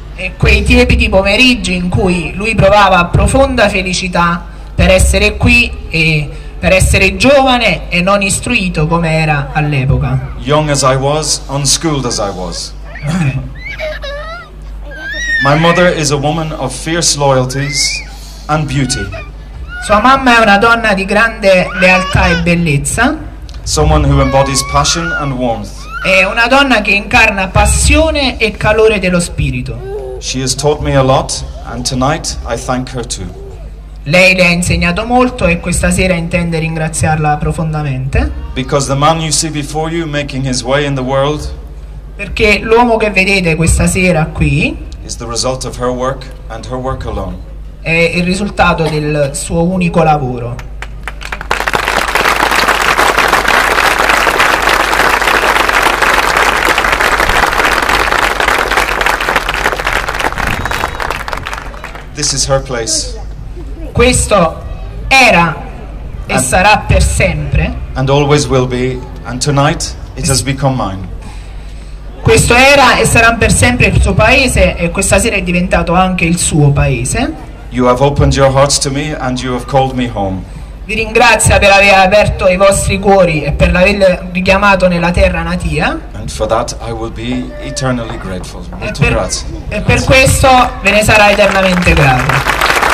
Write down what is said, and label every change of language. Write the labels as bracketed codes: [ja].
[it] E quei tiepidi pomeriggi in cui lui provava profonda felicità per essere qui e per essere giovane e non istruito come era all'epoca. [en] Young as I was, unschooled as I was. My mother is a woman of fierce loyalties and beauty. [it] Sua mamma è una donna di grande lealtà e bellezza. [en] Someone who embodies passion and warmth. [it] È una donna che incarna passione e calore dello spirito. [en] She has taught me a lot and tonight I thank her too. [it] Lei le ha insegnato molto e questa sera intende ringraziarla profondamente. [en] Because the man you see before you making his way in the world. [it] Perché l'uomo che vedete questa sera qui [en] is the result of her work and her work alone. [it] È il risultato del suo unico lavoro. [en] This is her place. [it] Questo era e sarà per sempre. [en] And always will be, and tonight it has become mine. [it] Questo era e sarà per sempre il suo paese e questa sera è diventato anche il suo paese. [en] You have opened your hearts to me and you have called me home. [it] Vi ringrazio per aver aperto i vostri cuori e per l'aver richiamato nella terra natia. [en] And for that I will be eternally grateful. [it] Grazie. E per questo ve ne sarà eternamente grato.